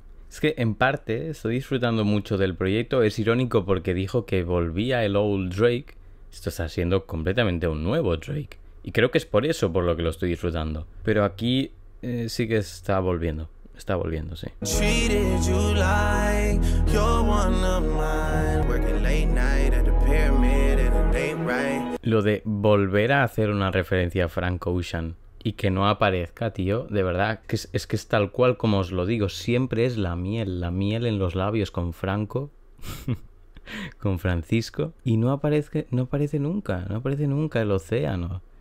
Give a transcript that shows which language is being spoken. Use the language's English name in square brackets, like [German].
[Spanish] Es que en parte estoy disfrutando mucho del proyecto. Es irónico porque dijo que volvía el old Drake. Esto está siendo completamente un nuevo Drake. Y creo que es por eso por lo que lo estoy disfrutando. Pero aquí sí que está volviendo. Está volviendo, sí. [English] Treated you like you're one of mine. Working late night at the pyramid and it ain't right. [Spanish] Lo de volver a hacer una referencia a Frank Ocean y que no aparezca, tío, de verdad, que es que es tal cual como os lo digo, siempre es la miel en los labios con Franco, con Francisco, y no aparece nunca el océano.